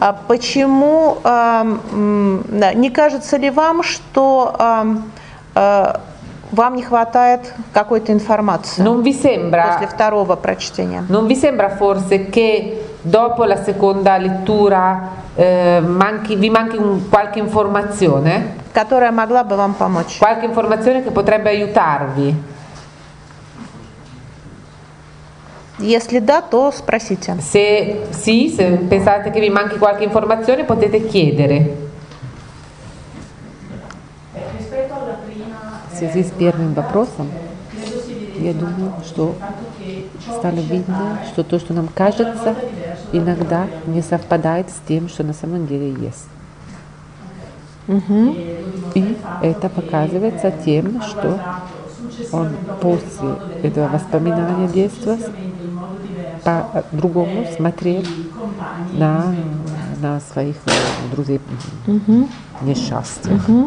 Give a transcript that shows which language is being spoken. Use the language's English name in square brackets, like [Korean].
[Russian] Почему не кажется ли вам, что вам не хватает какой-то информации? [Italian] Non vi sembra, [Russian] после второго прочтения. [Italian] Non vi sembra forse che dopo la seconda lettura vi manchi qualche informazione? [Russian] Которая могла бы вам помочь. [Italian] Qualche informazione che potrebbe aiutarvi. [Russian] Если да, то спросите. [Italian] Se sì, se pensate che vi manchi qualche informazione, potete chiedere. Rispetto alla prima, se si spiega il [Russian] вопросом, я думаю, что стало видно, что то, что нам кажется, иногда не совпадает с тем, что на самом деле есть. И это показывается тем, что он после этого воспоминания детства по-другому смотрел на своих друзей несчастья.